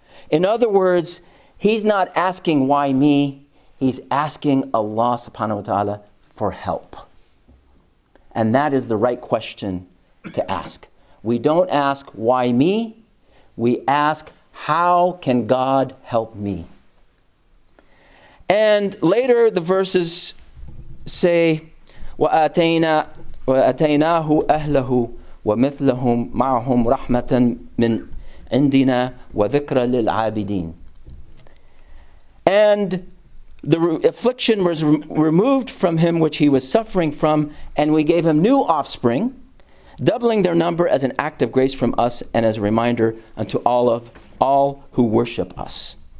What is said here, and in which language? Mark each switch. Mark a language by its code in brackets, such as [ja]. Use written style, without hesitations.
[en] In other words, he's not asking why me, he's asking Allah subhanahu wa ta'ala for help. And that is the right question to ask. We don't ask why me, we ask how can God help me? And later the verses say, [ar] وَأَتَيْنَاهُ أَهْلَهُ وَمِثْلَهُمْ مَعْهُمْ رَحْمَةً مِنْ عِنْدِنَا وَذِكْرَ لِلْعَابِدِينَ. [en] And the affliction was removed from him which he was suffering from, and we gave him new offspring, doubling their number as an act of grace from us and as a reminder unto all of all who worship us.